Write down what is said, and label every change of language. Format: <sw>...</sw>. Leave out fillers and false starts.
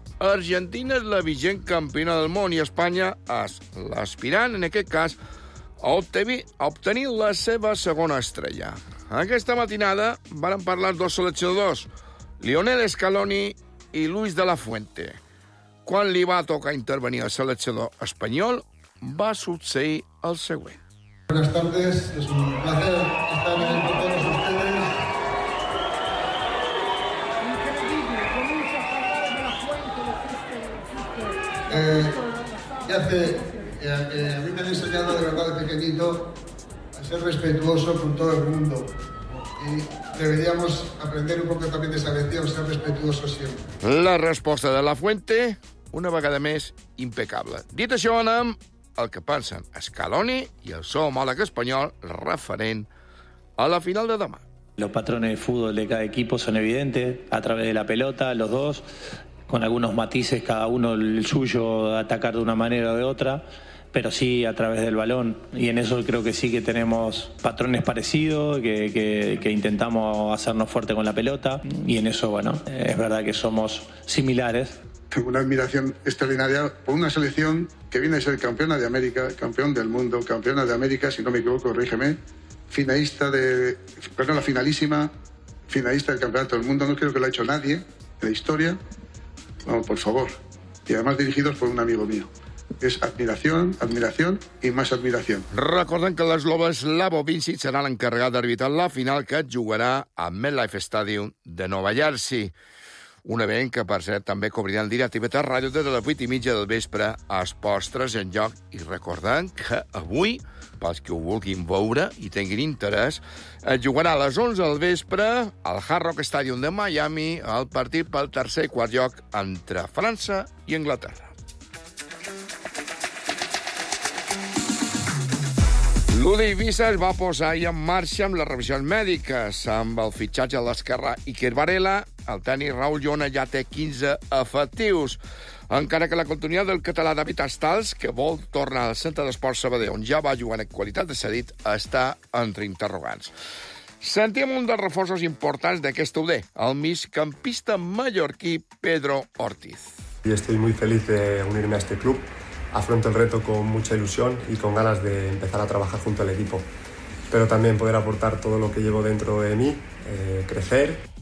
<ca>Argentina és la vigent campiona del món i Espanya és l'aspirant, en aquest cas, a obtenir la seva segona estrella. Aquesta matinada varen parlar dos seleccionadors, Lionel Scaloni i Luis de la Fuente. Quan li va tocar intervenir el seleccionador espanyol, va succeir el següent.</ca> <es>Buenas tardes, es un placer estar aquí con todos ustedes. A mí me han enseñado de verdad de pequeñito a ser respetuoso con todo el mundo. Y deberíamos aprender un poco también de esa lección, ser respetuoso siempre. La respuesta de la Fuente,</es> <ca>una vegada més,</ca> <es>impecable.</es> <ca>Dit això, anem el que pensen Scaloni i el seu homòleg espanyol referent a la final de demà.</ca> <es>Los patrones de fútbol de cada equipo son evidentes a través de la pelota, los dos, con algunos matices, cada uno el suyo, atacar de una manera o de otra, pero sí a través del balón. Y en eso creo que sí que tenemos patrones parecidos, que intentamos hacernos fuerte con la pelota. Y en eso, bueno, es verdad que somos similares. Tengo una admiración extraordinaria por una selección que viene de ser campeona de América, campeón del mundo, campeona de América, si no me equivoco, corrígeme, finalista de, perdón, la finalísima, finalista del campeonato del mundo, no creo que lo haya hecho nadie en la historia, vamos, por favor, y además dirigidos por un amigo mío. Es admiración, admiración y más admiración. Recuerden que las Lobas Labovinci será la encargada de arbitrar la final que jugará a MetLife Stadium de Nueva Jersey.</es> <ca>Un event que, per cert, també cobrirà el directe a TV3 Ràdio des de les 8 i mitja del vespre a Esports en Joc. I recordant que avui, pels que ho vulguin veure i tinguin interès, es jugarà a les 11 del vespre al Hard Rock Stadium de Miami el partit pel tercer i quart lloc entre França i Anglaterra. L'Udi Ibiza es va posar ahir en marxa amb les revisions mèdiques. Amb el fitxatge a l'esquerra Iker Varela, el tenis Raúl Llona ja té 15 efectius. Encara que la continuïtat del català David Astals, que vol tornar al centre d'esport Sabadell, on ja va jugar en qualitat de cedit, està entre interrogants. Sentim un dels reforços importants d'aquest UD, el migcampista mallorquí Pedro Ortiz.</ca> <es>Estoy muy feliz de unirme a este club. Afronto el reto con mucha ilusión y con ganas de empezar a trabajar junto al equipo. Pero también poder aportar todo lo que llevo dentro de mí, crecer.</es>